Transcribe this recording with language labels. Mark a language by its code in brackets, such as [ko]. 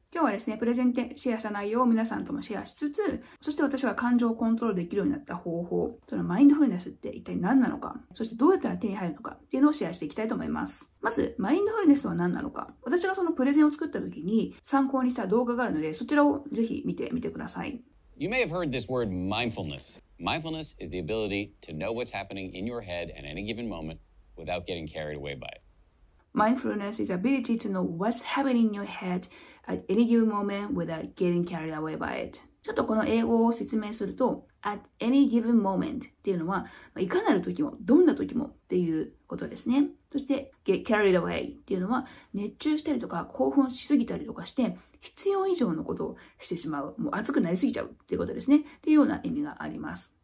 [ja] 今日はですね、プレゼンでシェアした内容を皆さんともシェアしつつ、そして私が感情をコントロールできるようになった方法、そのマインドフルネスって一体何なのか、そしてどうやったら手に入るのかっていうのをシェアしていきたいと思います。まず、マインドフルネスは何なのか。私がそのプレゼンを作った時に参考にした動画があるので、そちらをぜひ見てみてください。 [en] You may have heard this word mindfulness. Mindfulness is the ability to know what's happening in your head at any given moment without getting carried away by it. Mindfulness is the ability to know what's happening in your head at any given moment without getting carried away by it. [ja] ちょっとこの英語を説明すると、 [en] at any given moment [ja] っていうのは、いかなる時も、どんな時もっていうことですね。そして、 [en] get carried away [ja] っていうのは、熱中したりとか興奮しすぎたりとかして、必要以上のことをしてしまう。もう熱くなりすぎちゃうっていうことですね。っていうような意味があります。